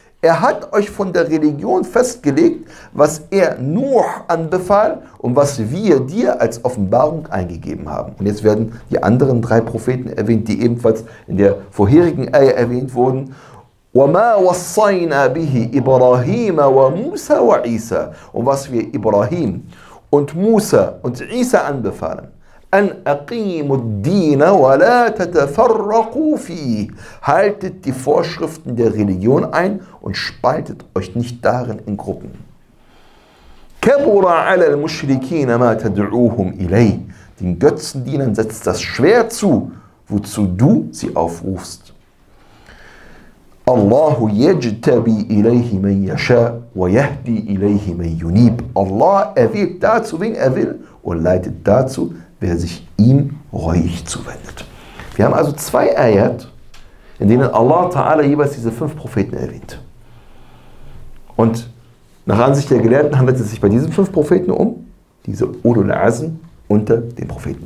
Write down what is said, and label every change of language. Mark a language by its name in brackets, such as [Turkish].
[German] Er hat euch von der Religion festgelegt, was er Nuh anbefahl und was wir dir als Offenbarung eingegeben haben. Und jetzt werden die anderen drei Propheten erwähnt, die ebenfalls in der vorherigen Ayah erwähnt wurden. [Arabic] وَمَا وَصَّيْنَا بِهِ إِبْرَاهِيمَ وَمُوسَى وَعِيسَى. [German] Und was wir Ibrahim und Musa und Isa anbefahlen. [Arabic] أن أقيموا الدين ولا تتفرقوا فيه. [German] Haltet die Vorschriften der Religion ein und spaltet euch nicht darin in Gruppen. [Arabic] كبر على المشركين ما تدعوهم إليه. [German] Den Götzendienern setzt das schwer zu, wozu du sie aufrufst. [Arabic] الله يجتبي إليه من يشاء ويهدي إليه من ينيب. [German] Allah erwählt dazu, wen er will, und leitet dazu, wer sich ihm reuig zuwendet. Wir haben also zwei Ayat, in denen Allah Ta'ala jeweils diese fünf Propheten erwähnt. Und nach Ansicht der Gelehrten handelt es sich bei diesen fünf Propheten um diese Ulul Azm unter den Propheten.